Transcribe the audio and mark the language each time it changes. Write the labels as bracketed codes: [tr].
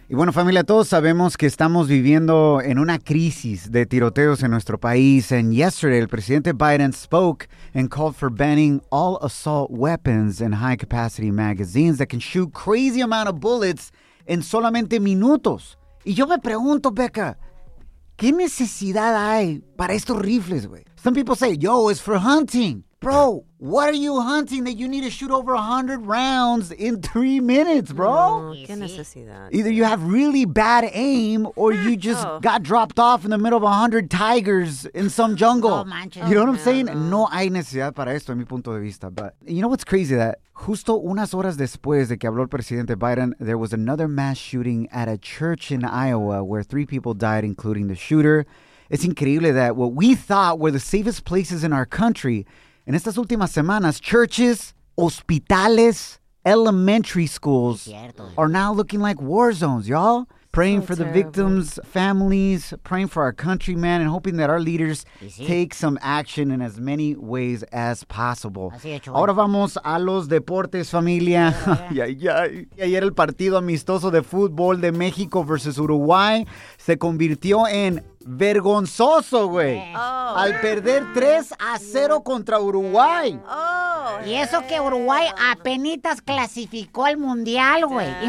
[es] Y bueno, familia, todos sabemos que estamos viviendo en una crisis de tiroteos en nuestro país. [en] And yesterday, el presidente Biden spoke and called for banning all assault weapons and high-capacity magazines that can shoot crazy amount of bullets [es] en solamente minutos. Y yo me pregunto, Becca, ¿qué necesidad hay para estos rifles, güey? [en] Some people say, yo, it's for hunting. Bro, what are you hunting that you need to shoot over 100 rounds in 3 minutes, bro? [es] Oh, qué necesidad. [en] Either you have really bad aim or you just got dropped off in the middle of 100 tigers in some jungle. [es] Oh, manches. [en] You know what I'm saying? [es] No hay necesidad para esto, en mi punto de vista. [en] But you know what's crazy? That [es] justo unas horas después de que habló el presidente Biden, [en] there was another mass shooting at a church in Iowa where 3 people died, including the shooter. It's increíble that what we thought were the safest places in our country... [es] En estas últimas semanas, [en] churches, hospitales, elementary schools are now looking like war zones, y'all. Praying so for terrible. The victims, families, praying for our country, man, and hoping that our leaders take some action in as many ways as possible. [es] Ahora vamos a los deportes, familia. Ayer el partido amistoso de fútbol de México versus Uruguay se convirtió en... vergonzoso, güey. Oh. Al perder 3-0 contra Uruguay. Oh, y eso que Uruguay apenitas clasificó al Mundial, güey. [en] Yeah.